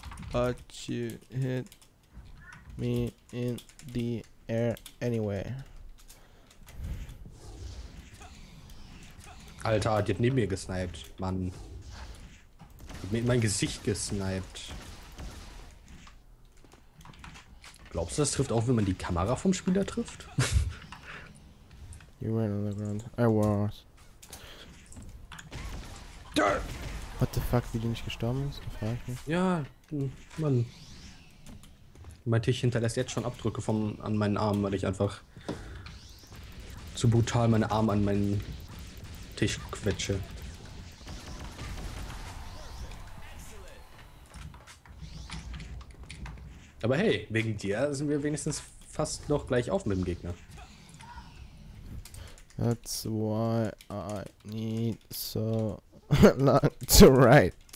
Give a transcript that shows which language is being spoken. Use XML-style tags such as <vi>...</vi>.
<en>But you hit me in the air anyway.</en> <de>Alter, die hat neben mir gesniped, Mann. Mit mein Gesicht gesniped. Glaubst du, das trifft auch, wenn man die Kamera vom Spieler trifft?</de> <en>You were on the ground. I was. Dirt. What the fuck,</en> <de>wie die nicht gestorben ist? Frag ich mich. Ja, Mann. Mein Tisch hinterlässt jetzt schon Abdrücke an meinen Armen, weil ich einfach zu brutal meine Arme an meinen Tisch quetsche. Aber hey, wegen dir sind wir wenigstens fast noch gleich auf mit dem Gegner.</de> <en>That's why I need so long to write.</en>